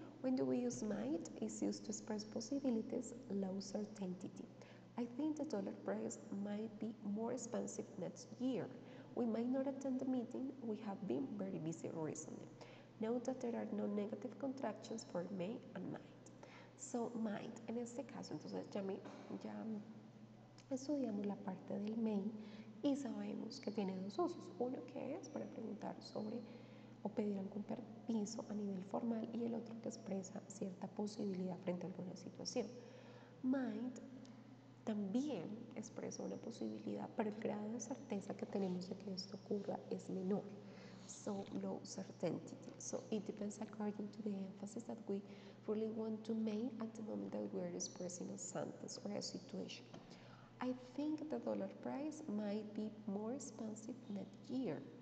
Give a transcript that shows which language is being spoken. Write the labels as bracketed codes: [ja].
[en] When do we use might? It's used to express possibilities, low certainty. I think the dollar price might be more expensive next year. We might not attend the meeting. We have been very busy recently. Note that there are no negative contractions for may and might. [es] So might, en este caso, entonces ya estudiamos la parte del may y sabemos que tiene dos usos. Uno que es para preguntar sobre o pedir algún permiso a nivel formal y el otro que expresa cierta posibilidad frente a alguna situación. Might también expresa una posibilidad, pero el grado de certeza que tenemos de que esto ocurra es menor. [en] So low certainty. So it depends according to the emphasis that we really want to make at the moment that we are expressing a sentence or a situation. I think the dollar price might be more expensive next year.